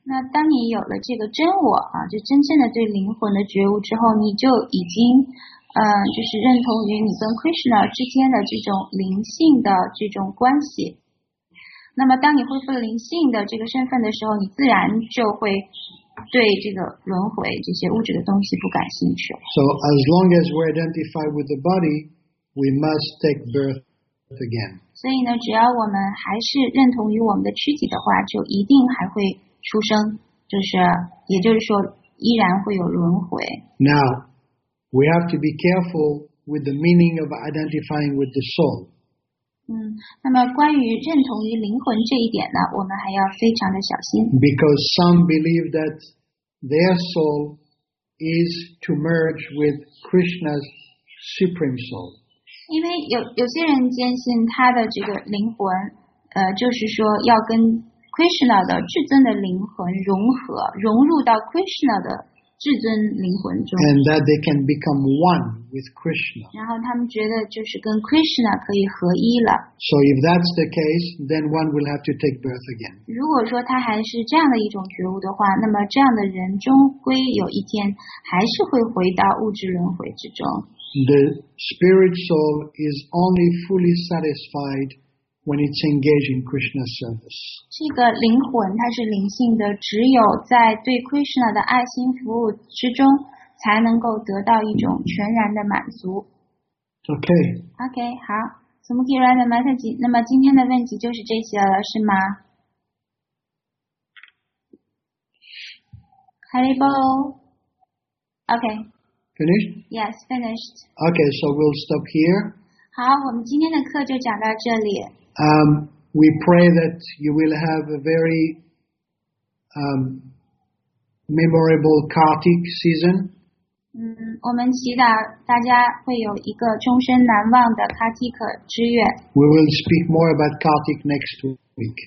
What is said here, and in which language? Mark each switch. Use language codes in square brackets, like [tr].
[zh] 那当你有了这个真我啊，就真正的对灵魂的觉悟之后，你就已经，就是认同于你跟 Krishna 之间的这种灵性的这种关系。那么当你恢复了灵性的这个身份的时候，你自然就会对这个轮回这些物质的东西不感兴趣。 [en] So as long as we identify with the body, we must take birth again. [zh] 所以呢，只要我们还是认同于我们的躯体的话，就一定还会出生，就是也就是说依然会有轮回。 [en] Now, we have to be careful with the meaning of identifying with the soul. [zh] 那么关于认同于灵魂这一点呢，我们还要非常的小心。 [en] Because some believe that their soul is to merge with Krishna's supreme soul. [zh] 因为有些人坚信他的这个灵魂，就是说要跟 Krishna 的至尊的灵魂融合，融入到 Krishna 的至尊灵魂中。 [en] And that they can become one with Krishna. [zh] 然后他们觉得就是跟 Krishna 可以合一了。 [en] So if that's the case, then one will have to take birth again. [zh] 如果说他还是这样的一种觉悟的话，那么这样的人终归有一天还是会回到物质轮回之中。 [en] The spirit soul is only fully satisfied when it's engaged in Krishna's service. [zh] 这个灵魂它是灵性的，只有在对 Krishna 的爱心服务之中才能够得到一种全然的满足。 [en] OK, [zh] 好。Smoky Rada Mataji, 那么今天的问题就是这些了，是吗？ [en] Hari Bol. OK, Finished? Yes, finished. Okay, so we'll stop here. [zh] 好，我们今天的课就讲到这里。 [en] We pray that you will have a very memorable Kartik season. [zh] 我们祈祷大家会有一个终身难忘的 Kartik 之月。 [en] We will speak more about Kartik next week.